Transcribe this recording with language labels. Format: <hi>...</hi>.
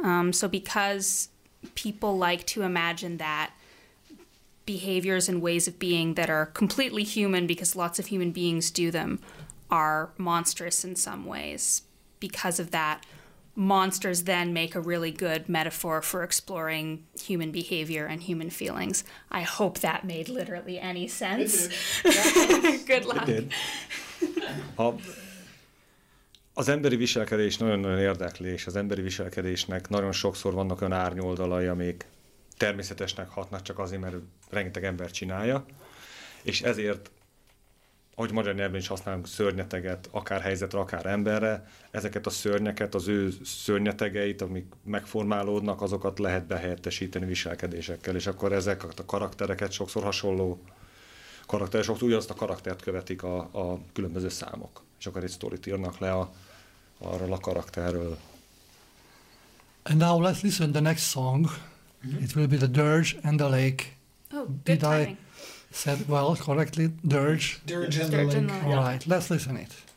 <en>So because people like to imagine that behaviors and ways of being that are completely human, because lots of human beings do them, are monstrous in some ways. Because of that, monsters then make a really good metaphor for exploring human behavior and human feelings. I hope that made literally any sense. Good luck. It did.</en> <hu>Az emberi viselkedés nagyon-nagyon érdeklés. Az emberi viselkedésnek nagyon sokszor vannak olyan árnyoldalai, amik természetesnek hatnak csak azért, mert rengeteg ember csinálja, és ezért, hogy magyar nyelven is használunk szörnyeteget, akár helyzetre, akár emberre, ezeket a szörnyeket, az ő szörnyetegeit, amik megformálódnak, azokat lehet behelyettesíteni viselkedésekkel, és akkor ezek a karaktereket, sokszor hasonló karakterek, sokszor ugyanazt a karaktert követik a különböző számok, és akkor egy sztorit írnak le arról a karakterről.</hu> <en>And now let's listen to the next song. It will be the dirge and the lake. Oh, good timing. I said well correctly? Dirge? Dirge and the lake. And the lake. All right, let's listen it.</en>